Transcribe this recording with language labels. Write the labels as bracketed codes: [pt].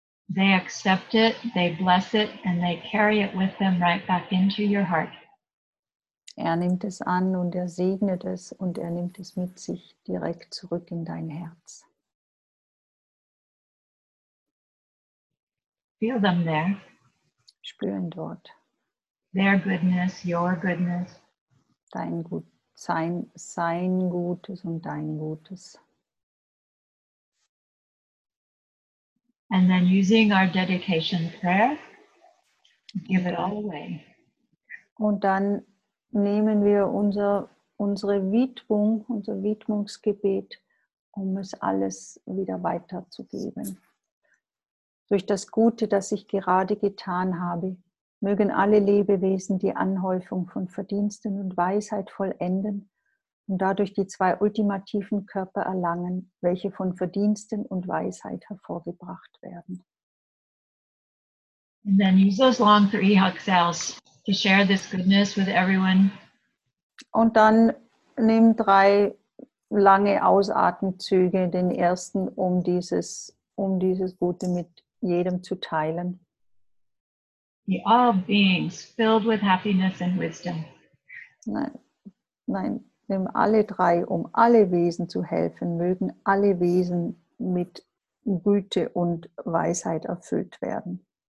[en] They accept it, they bless it, and they carry it with them right back into your heart. [de] Er nimmt es an und er segnet es und er nimmt es mit sich direkt zurück in dein Herz. [en] Feel them there. [de] Spüren dort. [en] Their goodness, your goodness. [de] Dein Gut, sein Gutes und dein Gutes. [en] And then using our dedication prayer, give it all away. [de] Und dann nehmen wir unsere Widmung, unser Widmungsgebet, um es alles wieder weiterzugeben. Durch das Gute, das ich gerade getan habe, mögen alle Lebewesen die Anhäufung von Verdiensten und Weisheit vollenden und dadurch die zwei ultimativen Körper erlangen, welche von Verdiensten und Weisheit hervorgebracht werden. [en] And then use those long three exhales to share this goodness with everyone. [de] Und dann nimm drei lange Ausatemzüge, den ersten, um dieses Gute mit jedem zu teilen. [en] Be all beings filled with happiness and wisdom. [de] Nein, nimm alle drei, um alle Wesen zu helfen, mögen alle Wesen mit Güte und Weisheit erfüllt werden.